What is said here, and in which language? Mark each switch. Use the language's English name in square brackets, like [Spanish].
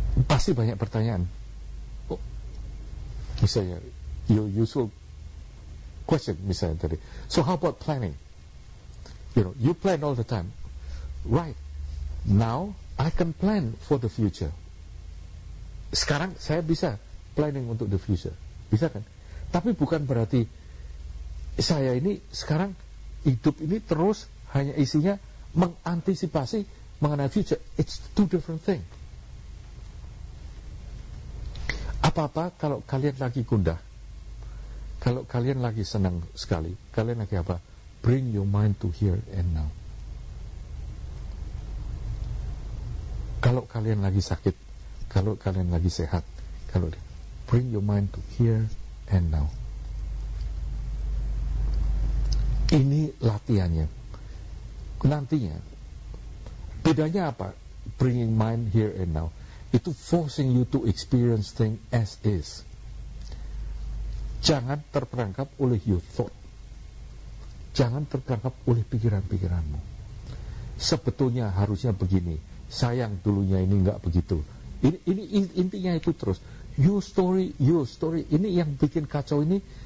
[Indonesian] Pasti banyak pertanyaan. Misalnya, [English] your usual question, [Indonesian] misalnya tadi. [English] So how about planning? You know, you plan all the time. Right, now I can plan for the future. [Indonesian] Sekarang saya bisa planning untuk [English] the future. [Indonesian] Bisa kan? Tapi bukan berarti saya ini sekarang hidup ini terus hanya isinya mengantisipasi mengenai future. [English] It's two different things. [Indonesian] Apa-apa kalau kalian lagi gundah, kalau kalian lagi senang sekali, kalian lagi apa? [English] Bring your mind to here and now. [Indonesian] Kalau kalian lagi sakit, kalau kalian lagi sehat, kalau [English] bring your mind to here and now. [Indonesian] Ini latihannya. Nantinya, bedanya apa? [English] Bringing mind here and now. [Indonesian] Itu [English] forcing you to experience thing as is. [Indonesian] Jangan terperangkap oleh [English] your thought. [Indonesian] Jangan terperangkap oleh pikiran-pikiranmu. Sebetulnya harusnya begini. Sayang dulunya ini enggak begitu. Ini intinya itu terus. [English] Your story. [Indonesian] Ini yang bikin kacau ini.